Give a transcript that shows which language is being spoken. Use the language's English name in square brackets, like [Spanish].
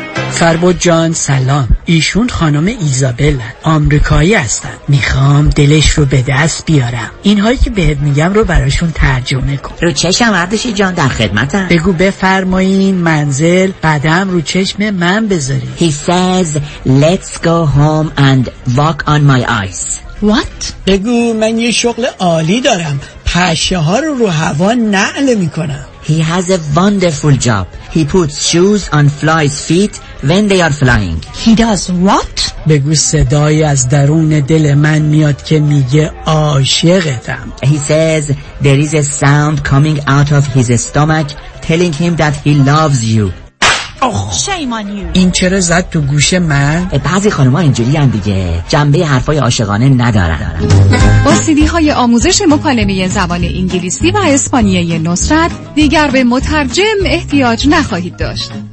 [Persian] فربود جان سلام، ایشون خانم ایزابل آمریکایی هستن، میخوام دلش رو به دست بیارم. اینهایی که بهت میگم رو براشون ترجمه کن. رو چشم اردشی جان، در خدمتم. بگو بفرمایین منزل، بعدم رو چشم من بذاری. [English] He says let's go home and walk on my eyes. What؟ [Persian] بگو من یه شغل عالی دارم، پشه ها رو هوا نعل میکنم. [English] He has a wonderful job. He puts shoes on flies' feet when they are flying. He does what? [Persian] بگو صدای از درون دل من میاد که میگه عاشقتم. [English] He says there is a sound coming out of his stomach telling him that he loves you. Oh. Shame on you. [Persian] این چرا زد تو گوش من؟ بعضی خانم‌ها اینجوری هم دیگه، جنبه حرفای عاشقانه ندارن. با سی‌دی‌های آموزش مکالمه زبان انگلیسی و اسپانیایی نصرت، دیگر به مترجم احتیاج نخواهید داشت.